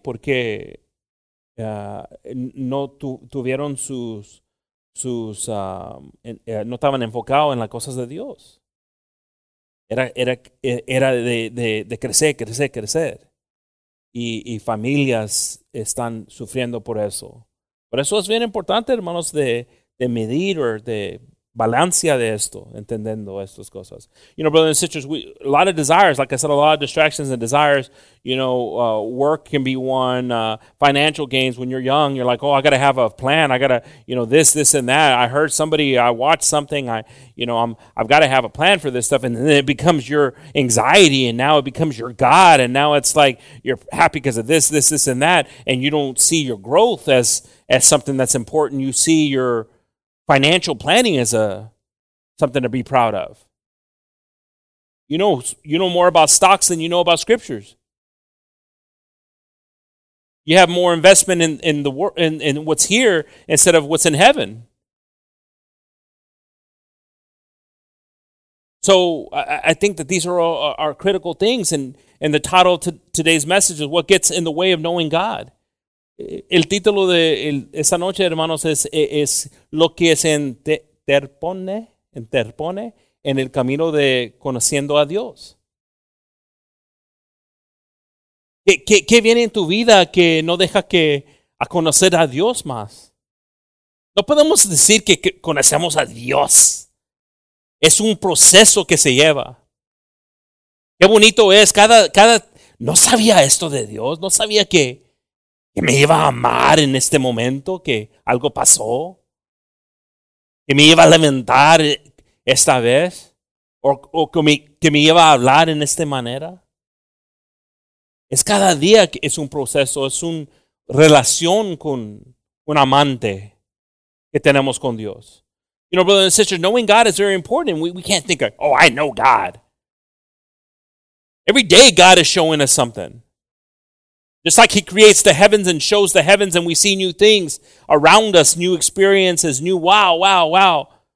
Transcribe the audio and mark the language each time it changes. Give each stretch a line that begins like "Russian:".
Spanish: Porque no tuvieron no estaban enfocados en las cosas de Dios. Era de crecer. Y familias están sufriendo por eso. Por eso es bien importante, hermanos, de medir o de balancea de esto, entendiendo estas cosas.
English: You know, brothers and sisters, a lot of desires, like I said, a lot of distractions and desires. You know, work can be one, financial gains. When you're young, you're like, oh, I got to have a plan. I got to, you know, this and that. I heard somebody, I watched something. I've got to have a plan for this stuff. And then it becomes your anxiety. And now it becomes your God. And now it's like, you're happy because of this and that. And you don't see your growth as something that's important. You see your financial planning is something to be proud of. You know more about stocks than you know about scriptures. You have more investment in what's here instead of what's in heaven. So I think that these are all are critical things, and the title to today's message is "What Gets in the Way of Knowing God."
Spanish: El título de esta noche, hermanos, es lo que se interpone en el camino de conociendo a Dios. ¿Qué viene en tu vida que no deja que a conocer a Dios más? No podemos decir que conocemos a Dios. Es un proceso que se lleva. Qué bonito es cada no sabía esto de Dios, no sabía que me iba a amar en este momento, que algo pasó, que me iba a lamentar esta vez, o que me iba a hablar en esta manera. Es cada día que es un proceso, es una relación con un amante que tenemos con Dios.
English: You know, brothers and sisters, knowing God is very important. We can't think of, oh, I know God. Every day God is showing us something. Just like he creates the heavens and shows the heavens and we see new things around us, new experiences, new wow.